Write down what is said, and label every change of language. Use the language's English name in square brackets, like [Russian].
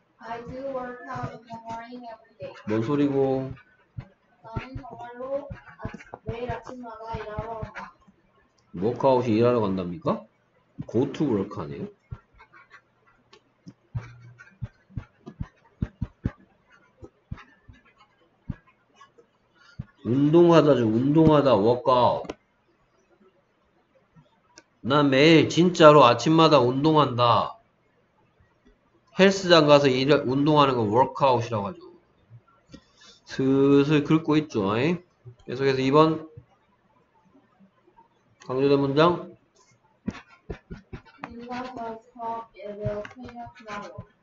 [English] I do work out in the morning every day [Korean] 뭔 소리고 나는 정말로 매일 아침마다 일하러 간다 워크아웃이 일하러 간답니까? [English] Go to work [Korean] 하네요? 운동하다죠. 운동하다. 워크아웃. 나 매일 진짜로 아침마다 운동한다. 헬스장 가서 일을 운동하는 거 워크아웃이라고 하죠. 슬슬 긁고 있죠. 계속해서 2번 강조된 문장. [English] Do not talk, it will clean up tomorrow.